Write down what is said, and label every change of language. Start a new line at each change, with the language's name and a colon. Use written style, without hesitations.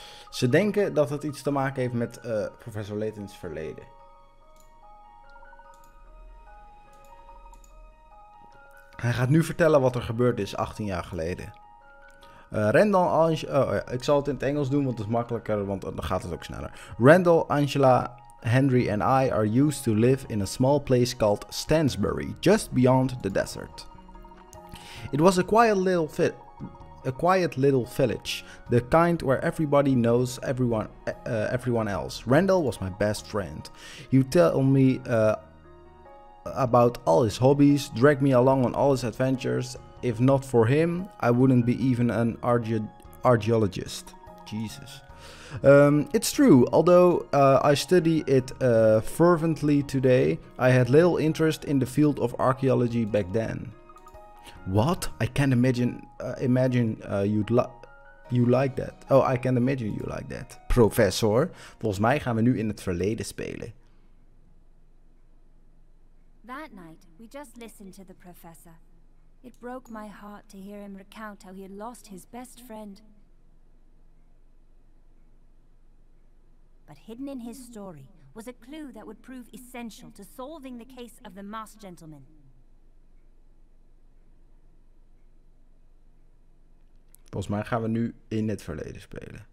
Dutch: Ze denken dat het iets te maken heeft met Professor Layton's verleden. Hij gaat nu vertellen wat er gebeurd is 18 jaar geleden. Randall Angela... Oh ja, ik zal het in het Engels doen, want het is makkelijker, want dan gaat het ook sneller.
English: Randall, Angela, Henry and I are used to live in a small place called Stansbury, just beyond the desert. It was a quiet little village, the kind where everybody knows everyone else. Randall was my best friend. He would tell me about all his hobbies, drag me along on all his adventures. If not for him, I wouldn't be even an archaeologist. Jesus. It's true, although I study it fervently today, I had little interest in the field of archaeology back then. What? I can't imagine you like that. Oh, I can't imagine you like that.
Dutch: Professor, volgens mij gaan we nu in het verleden spelen.
English: That night, we just listened to the professor. It broke my heart to hear him recount how he had lost his best friend. But hidden in his story was a clue that would prove essential to solving the case of the masked gentleman.
Dutch: Volgens mij gaan we nu in het verleden spelen.